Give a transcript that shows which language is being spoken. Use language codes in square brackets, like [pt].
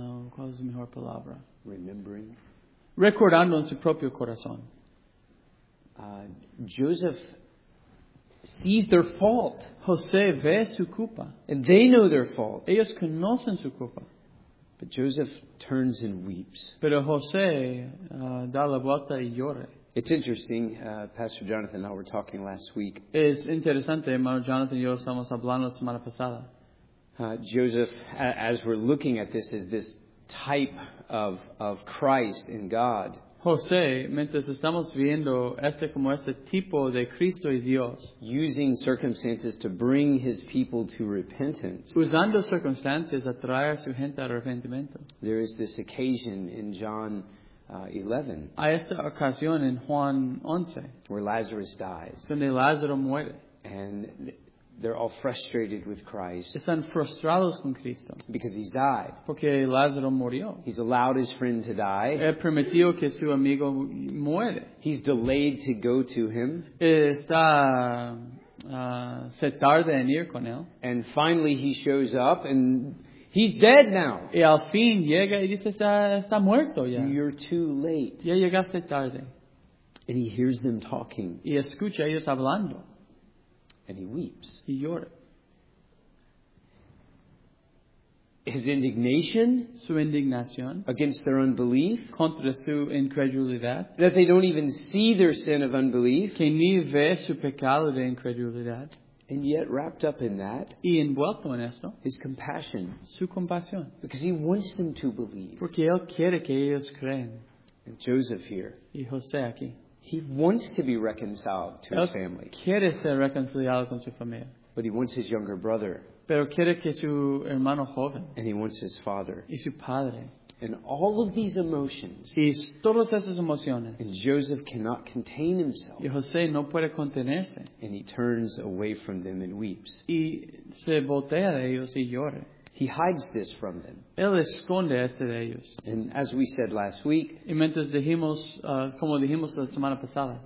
[es] ¿Cuál es la mejor palabra? [en] Remembering. [es] Recordando en su propio corazón. [en] Joseph sees their fault. [es] José ve su culpa. [en] And they know their fault. [es] Ellos conocen su culpa. [en] But Joseph turns and weeps. [es] Pero José da la vuelta y llora. [en] It's interesting, Pastor Jonathan and I were talking last week. [es] Es interesante, hermano Jonathan y yo estamos hablando la semana pasada. [en] Joseph, as we're looking at this, is this type of Christ in God. [es] José, mientras estamos viendo este como este tipo de Cristo y Dios. [en] Using circumstances to bring his people to repentance. [es] Usando circunstancias a traer su gente al arrepentimiento. [en] There is this occasion in John 11. [es] A esta ocasión en Juan 11. [en] Where Lazarus dies. [es] Donde Lázaro muere. [en] And they're all frustrated with Christ. [es] Están frustrados con Cristo. [en] Because he's died. [es] Porque Lázaro murió. [en] He's allowed his friend to die. [es] Él permitió que su amigo muere. [en] He's delayed to go to him. [es] Está se tarda en ir con él. [en] And finally he shows up and he's dead now. [es] Y al fin llega y dice está muerto ya. [en] You're too late. [es] Ya llegaste tarde. [en] And he hears them talking. [es] Y escucha ellos hablando. [en] And he weeps. [es] Y llora. [en] His indignation, [es] su indignación, [en] against their unbelief, [es] contra su incredulidad, [en] that they don't even see their sin of unbelief, [es] que ni ve su pecado de incredulidad, [en] and yet wrapped up in that, [es] y envuelto en esto, [en] his compassion, [es] su compasión, [en] because he wants them to believe, [es] porque él quiere que ellos creen. [en] And Joseph here, [es] y José aquí, [en] he wants to be reconciled to [es] él [en] his family, [es] quiere ser reconciliado con su familia, [en] but he wants his younger brother. [es] Pero quiere que su hermano joven, [en] and he wants his father, [es] y su padre, [en] and all of these emotions, [es] y todas esas emociones, [en] and Joseph cannot contain himself, [es] y José no puede contenerse, [en] and he turns away from them and weeps, [es] y se voltea de ellos y llora. [en] He hides this from them. [es] Él esconde este de ellos. [en] And as we said last week, [es] y mientras dijimos, como dijimos la semana pasada,